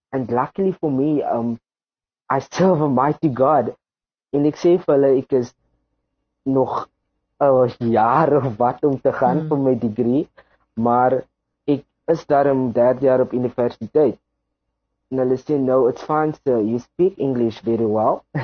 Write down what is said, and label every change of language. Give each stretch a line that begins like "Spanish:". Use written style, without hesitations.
English: And luckily for me, I serve a mighty God.
Afrikaans: En ek sê vir hulle, ek is nog 'n jaar of wat om te gaan vir my degree. Maar ek is daarom derde jaar op universiteit. En hulle sê,
English: no, it's fine sir, you speak English very well.